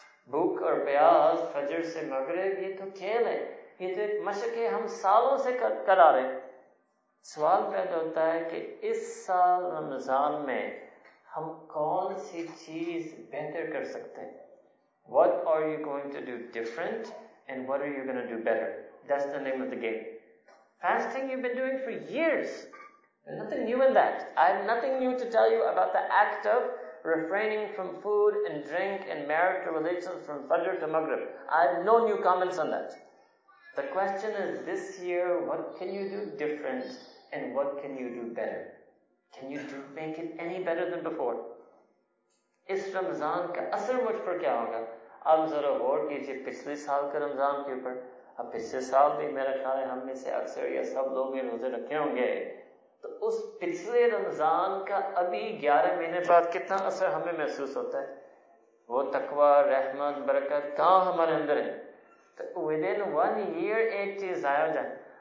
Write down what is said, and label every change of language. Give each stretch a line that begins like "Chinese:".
Urdu: بھوک اور پیاس فجر سے مغرب یہ تو کھیل ہے, یہ تو ایک مشق ہے, ہم سالوں سے کرا رہے ہیں. سوال پیدا ہوتا ہے کہ اس سال رمضان میں ہم کون سی چیز بہتر کر سکتے ہیں؟
English: What are you going to do different and what are you going to do better? That's the name of the game. Fasting you've been doing for years. Nothing new in that. I have nothing new to tell you about the act of refraining from food and drink and marital relations from Fajr to Maghrib. I have no new comments on that. The question is this year, what can you do different and what can you do better? Can you do, make it any better than before?
Urdu: اس رمضان کا اثر مجھ پر کیا ہوگا؟ آپ ذرا غور کیجیے پچھلے سال کے رمضان کے اوپر. اب پچھلے سال بھی میرا خیال ہے ہم میں سے اکثر یا سب لوگ یہ روزے رکھے ہوں گے, تو اس پچھلے رمضان کا ابھی 11 مہینے بعد کتنا اثر ہمیں محسوس ہوتا ہے؟ وہ تقویٰ, رحمت, برکت کہاں ہمارے اندر ہے؟ تو
English: within one year
Urdu: ایک چیز آیا جائے.